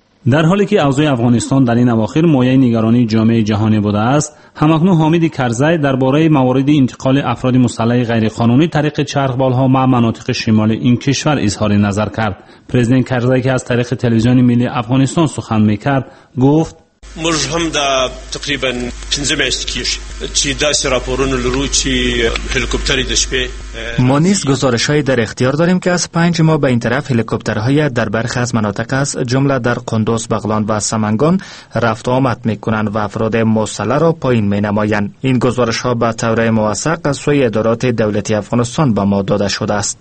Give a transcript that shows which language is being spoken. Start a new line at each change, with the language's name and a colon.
Persian: در حالی که اوضاع افغانستان در این اواخر مایه نگرانی جامعه جهانی بوده است، هم‌اکنون حامد کرزی درباره موارد انتقال افراد مسلح غیرقانونی طریق چرخبال‌ها و مناطق شمال این کشور اظهار نظر کرد. پرزیدنت کرزی که از طریق تلویزیون ملی افغانستان سخن می‌کرد، گفت:
Pashto: موږ هم دا تقریبا 15 میاشتې کېږي چې داسې راپورونه لرو چې هلیکوپتری د شپې
Persian: ما نیز گزارش های در اختیار داریم که از 5 ماه به این طرف هلیکوپترهای در برخی از مناطق از جمله در قندوز، بغلان و سمنگان رفت و آمد میکنند و افراد مسلح را پایین می نمایند. این گزارش ها به طور موثق از سوی ادارات دولتی افغانستان به ما داده شده است.